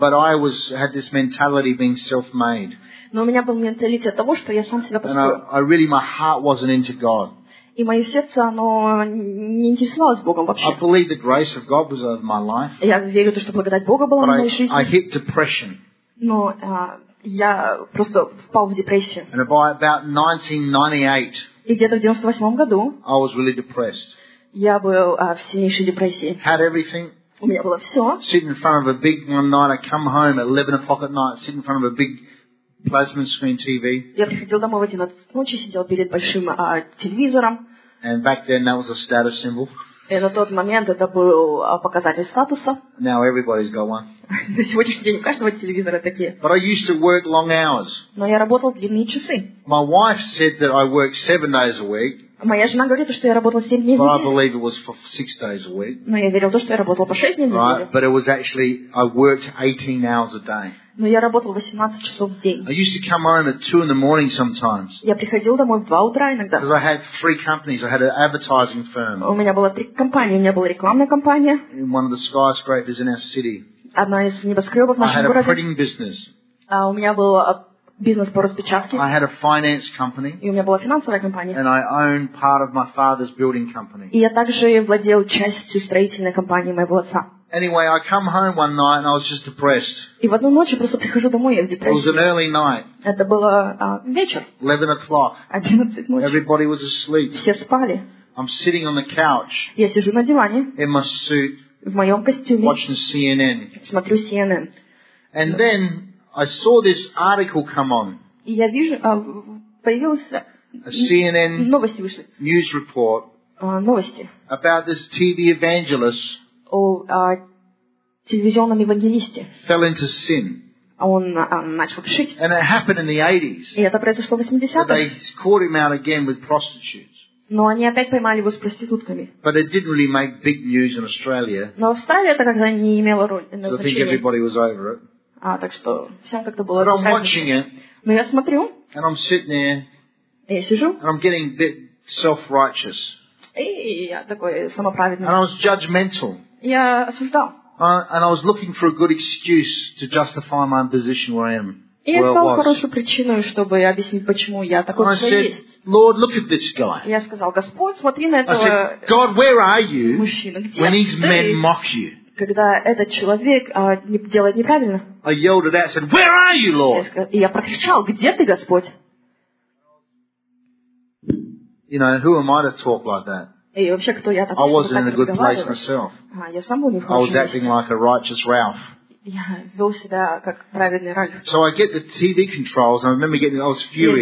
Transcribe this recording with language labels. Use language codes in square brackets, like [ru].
[en] But I had this mentality being self-made. [ru] Но у меня был менталитет того, что я сам себя построил. [en] And I really, my heart wasn't into God. [ru] И мое сердце, оно не интересовалось Богом вообще. [en] I believe the grace of God was over my life. [ru] Я верю в то, что благодать Бога была в моей жизни. [en] I hit depression. [ru] Но я просто впал в депрессию. [en] And by about 1998, [ru] и где-то в 98 году, [en] I was really depressed. [ru] Я был в сильнейшей депрессии. [en] Had everything. [ru] У меня было все. [en] Sit in front of a big one night. I come home at 11 o'clock at night. Sit in front of a big plasma screen TV. [ru] Я приходил домой в 11 ночи, сидел перед большим телевизором. [en] And back then that was a status symbol. [ru] И на тот момент это был показатель статуса. [en] Now everybody's got one. [ru] На сегодняшний день у каждого телевизора такие. [en] But I used to work long hours. [ru] Но я работал длинные часы. [en] My wife said that I work 7 days a week. [ru] моя жена говорит, что я работала 7 дней в неделю. [en] But I believe it was for 6 days a week. [ru] Но я верил то, что я работала по 6 дней в неделю. [en] Right, but it was actually I worked 18 hours a day. [ru] Но я работал 18 часов в день. [en] I used to come home at 2 in the morning sometimes. [ru] Я приходил домой в 2 утра иногда. [en] Because I had 3 companies. I had an advertising firm. [ru] У меня было 3 компании, у меня была рекламная компания. [en] In one of the skyscrapers in our city. [ru] Одна из небоскребов в нашем городе. [en] I had a printing business. [ru] У меня был бизнес по распечатке. [en] I had a finance company. [ru] И у меня была финансовая компания. [en] And I own part of my father's building company. [ru] И я также владел частью строительной компании моего отца. [en] Anyway, I come home one night and I was just depressed. [ru] И в одну ночь я просто прихожу домой, я в депрессии. [en] It was an early night. [ru] Это было вечер. [en] 11 o'clock. [ru] 11 ночи. [en] Everybody was asleep. [ru] Все спали. [en] I'm sitting on the couch. [ru] Я сижу на диване. [en] In my suit. [ru] В моем костюме. [en] Watching CNN. [ru] Смотрю CNN. [en] And then I saw this article come on. [ru] И я вижу, появился [en] a CNN [ru] новости вышли. [en] News report. [ru] Новости. [en] About this TV evangelist. [ru] О телевизионном евангелисте. [en] Fell into sin. [ru] Он начал пшить. [en] And it happened in the 80s. [ru] И это произошло в 80-х. [en] But they caught him out again with prostitutes. [ru] Но они опять поймали его с проститутками. [en] But it didn't really make big news in Australia. [ru] Но в Австралии это как-то не имело роли. [en] So I think everybody was over it. [ru] Так что всем как-то было. [en] But I'm watching it. [ru] Но я смотрю. [en] And I'm sitting there. [ru] Я сижу. [en] And I'm getting a bit self-righteous. [ru] И я такой самоправедный. [en] And I was judgmental. [ru] Я осуждал. [en] And I was looking for a good excuse to justify my position where I am. [ru] И я искал хорошую причину, чтобы объяснить, почему я такой, какой есть. [en] Lord, look at this guy. [ru] Я сказал, Господь, смотри на этого мужчину. [en] God, where are you when these men mock you? [ru] Когда этот человек делает неправильно. [en] I yelled at that, said, where are you, Lord? [ru] И я прокричал, где ты, Господь? [en] You know, who am I to talk like that? [ru] И вообще, кто я такой, [en] I wasn't in a good place myself. [ru] Я сам был не в хорошем [en] I was acting like a righteous Ralph. [ru] Я вел себя как праведный Ральф. [en] So I get the TV controls, and I remember getting, I was furious.